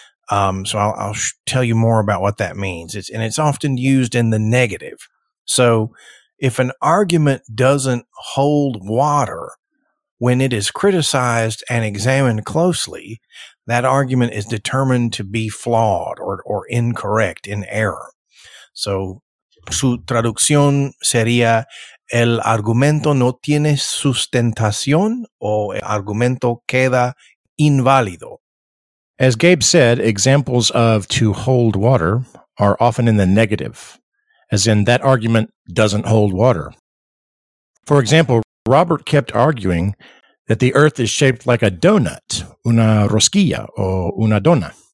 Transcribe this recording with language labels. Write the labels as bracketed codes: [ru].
[en] So I'll tell you more about what that means. It's often used in the negative. So if an argument doesn't hold water, when it is criticized and examined closely, that argument is determined to be flawed or incorrect, in error. [es] So, su traducción sería, el argumento no tiene sustentación o el argumento queda inválido. [en] As Gabe said, examples of to hold water are often in the negative, as in that argument doesn't hold water. For example, Robert kept arguing that the earth is shaped like a donut, [es] una rosquilla o una dona.